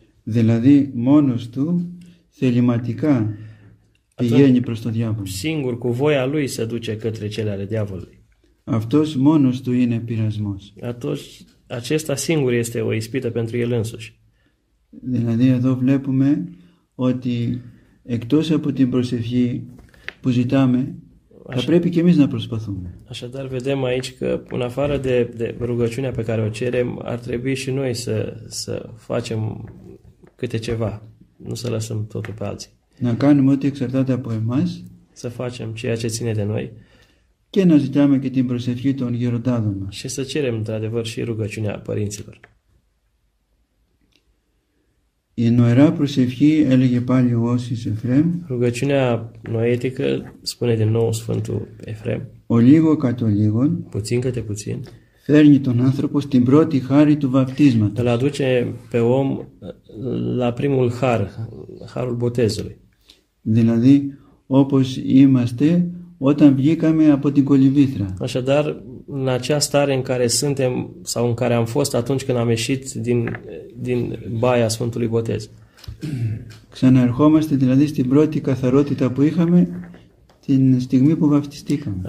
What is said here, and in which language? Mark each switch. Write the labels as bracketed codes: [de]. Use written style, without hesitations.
[el] Δηλαδή, μόνος του, θεληματικά, πηγαίνει προς τον διάβολο. [ro] Singur, cu voia lui, se duce către cele ale diavolului. [el] Αυτός μόνος του είναι πειρασμός. [ro] Atunci, acesta singur este o ispită pentru el însuși. [el] Δηλαδή, εδώ βλέπουμε ότι εκτός από την προσευχή που ζητάμε, θα πρέπει και εμείς να προσπαθούμε. [ro] Așadar, vedem aici că, în afară de rugăciunea pe care o cerem, ar trebui și noi să facem câte ceva, nu să lăsăm totul pe alții. [el] Να κάνουμε ό,τι εξαρτάται από εμάς, [ro] să facem ceea ce ține de noi, [el] και να ζητάμε και την προσευχή των γεροντάδων μας. [ro] Și să cerem, într-adevăr, și rugăciunea părinților. [el] Η νοερά προσευχή έλεγε πάλι ο Όσης Εφραίμ. [ro] Rugăciunea noetică spune din nou Sfântul Εφραίμ. [el] Ο λίγο κατ' ο λίγον. [ro] Puțin câte puțin. [el] Φέρνει τον άνθρωπο στην πρώτη χάρη του βαπτίσματος. [ro] Îl aduce pe om la primul har, harul botezului. [el] Δηλαδή, όπως είμαστε όταν βγήκαμε από την κολυβήθρα. [ro] Așadar, în acea stare în care suntem sau în care am fost atunci când am ieșit din baia Sfântului Botez. [el] Ξαναερχόμαστε δηλαδή στην πρώτη καθαρότητα που είχαμε την στιγμή που βαφτιστήκαμε.